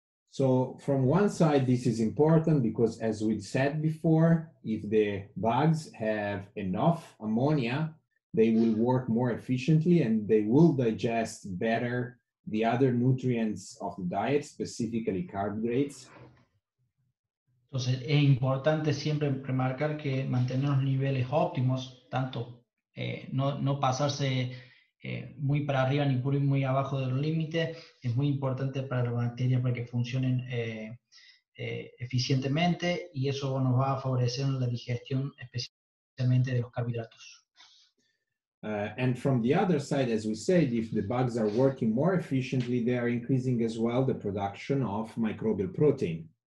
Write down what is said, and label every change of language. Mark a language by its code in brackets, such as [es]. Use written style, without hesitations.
[en] So from one side, this is important because, as we said before, if the bugs have enough ammonia, they will work more efficiently and they will digest better the other nutrients of the diet, specifically carbohydrates. [es] Entonces, es importante siempre remarcar que mantener los niveles óptimos, tanto no pasarse muy para arriba ni muy abajo del límite, es muy importante para las bacterias para que funcionen eficientemente, y eso nos va a favorecer la digestión especialmente de los carbohidratos. [en] And from the other side, as we said, if the bugs are working more efficiently, they are increasing as well the production of microbial protein.